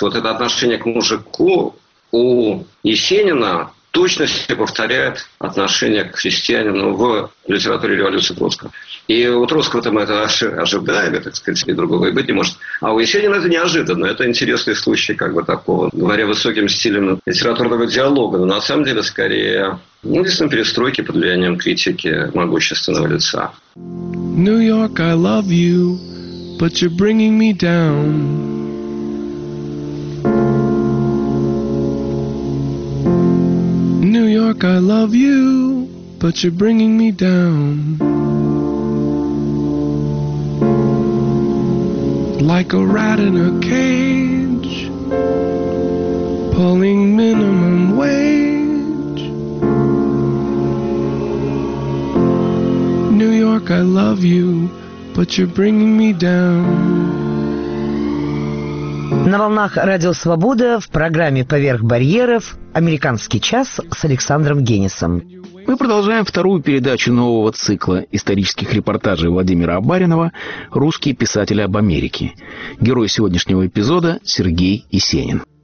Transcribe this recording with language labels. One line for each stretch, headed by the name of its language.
Russian: Вот это отношение к мужику у Есенина точности повторяет отношение к христианину в литературе революции Троцкого. И у Троцкого-то мы это ожидаем, так сказать, и другого и быть не может. А у Есенина это неожиданно. Это интересный случай, как бы такого, говоря высоким стилем литературного диалога, но на самом деле скорее, ну, действительно, перестройки под влиянием критики могущественного лица.
English: Нью-Йорк, I love you, but you're bringing me down. Нью-Йорк, I love you, but you're bringing me down. Like a rat in a cage, pulling minimum wage. New York, I love you, but you're bringing me down.
Russian: На волнах Радио Свобода в программе «Поверх барьеров» «Американский час» с Александром Генисом. Мы продолжаем вторую передачу нового цикла исторических репортажей Владимира Абаринова «Русские писатели об Америке». Герой сегодняшнего эпизода – Сергей Есенин.